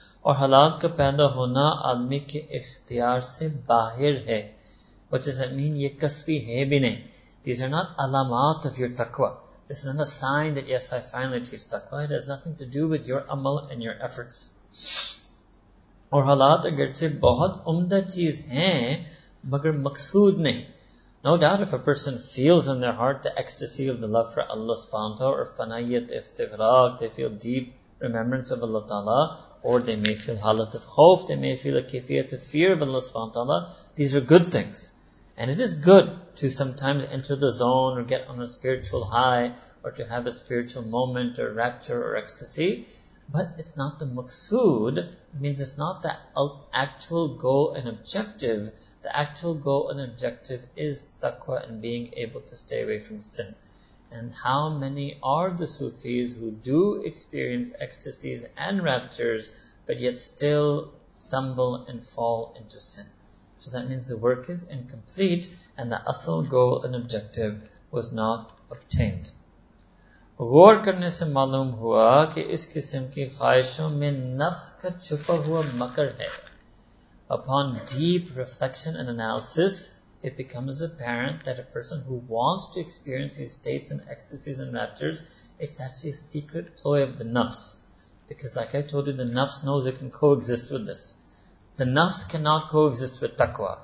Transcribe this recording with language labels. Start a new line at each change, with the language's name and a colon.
Urdu: اور حالات کا پیدا ہونا آدمی کے اختیار سے باہر ہے.
English: What does that mean?
Urdu: یہ قصبی ہے بھی نہیں.
English: These are not علامات of your taqwa. This is not a sign that yes, I finally teach taqwa. It has nothing to do with your amal and your efforts.
Urdu: اور حالات اگرچہ بہت عمدہ چیز ہیں مگر مقصود نہیں.
English: No doubt if a person feels in their heart the ecstasy of the love for Allah subhanahu wa ta'ala or fanayat istighraq, they feel deep remembrance of Allah ta'ala, or they may feel halat of khawf, they may feel a kifiyat of fear of Allah subhanahu wa ta'ala. These are good things. And it is good to sometimes enter the zone or get on a spiritual high or to have a spiritual moment or rapture or ecstasy. But it's not the maqsood. It means it's not the actual goal and objective. The actual goal and objective is taqwa and being able to stay away from sin. And how many are the Sufis who do experience ecstasies and raptures, but yet still stumble and fall into sin? So that means the work is incomplete, and the asal goal and objective was not obtained.
Urdu: غور کرنے سے معلوم ہوا کہ اس قسم کی خواہشوں میں نفس کا چھپا ہوا مکر ہے.
English: Upon deep reflection and analysis, it becomes apparent that a person who wants to experience these states and ecstasies and raptures, it's actually a secret ploy of the nafs. Because like I told you, the nafs knows it can coexist with this. The nafs cannot coexist with taqwa.